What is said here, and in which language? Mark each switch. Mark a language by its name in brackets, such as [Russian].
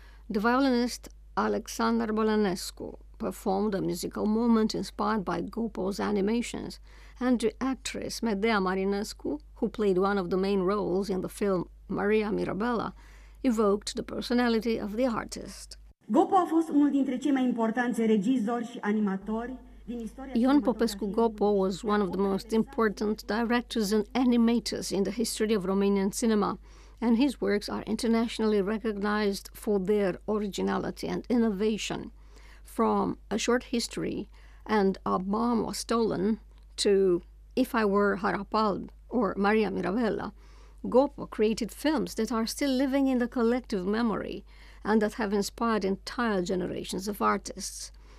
[English] The violinist Alexander Bolănescu performed a musical moment inspired by Gopo's animations, and the actress Medea Marinescu, who played one of the main roles in the film Maria Mirabella, evoked the personality of the artist. [Romanian] Gopo a fost unul dintre cei mai importanți regizori și animatori. [English] Ion Popescu Gopo was one of the most important directors and animators in the history of Romanian cinema, and his works are internationally recognized for their originality and innovation. From A Short History and A Bomb Was Stolen to If I Were Harapald or Maria Mirabella, Gopo created films that are still living in the collective memory and that have inspired entire generations of artists.